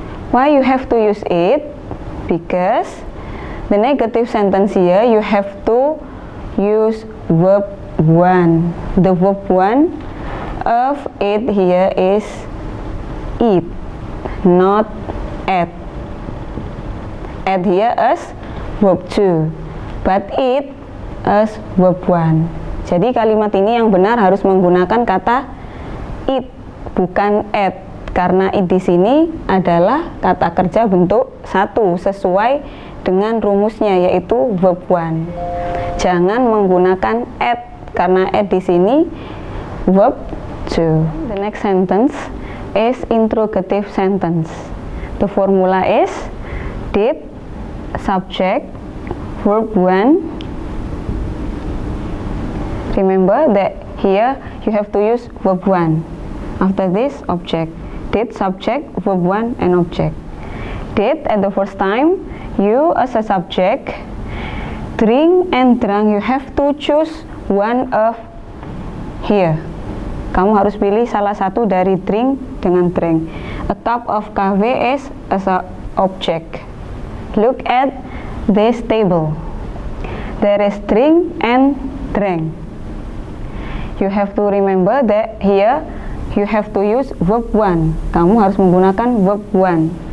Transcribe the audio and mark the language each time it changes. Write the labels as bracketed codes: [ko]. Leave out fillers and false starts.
[en] Why you have to use it? Because the negative sentence here, you have to use verb 1. The verb 1 of it here is eat, not add. Add here as verb 2, but eat as verb 1. [id] Jadi kalimat ini yang benar harus menggunakan kata eat, bukan add, karena eat di sini adalah kata kerja bentuk 1 sesuai dengan rumusnya, yaitu verb 1. Jangan menggunakan add, karena add di sini verb 2. [en] The next sentence is interrogative sentence. The formula is did, subject, verb 1. Remember that here you have to use verb 1. After this, object. Did, subject, verb 1, and object. Did, at the first time, you as a subject, drink and drunk, you have to choose one of here. [id] Kamu harus pilih salah satu dari drink dengan drink. [en] A cup of coffee is as a object. Look at this table. There is drink and drank. You have to remember that here, you have to use verb 1. [id] Kamu harus menggunakan verb 1.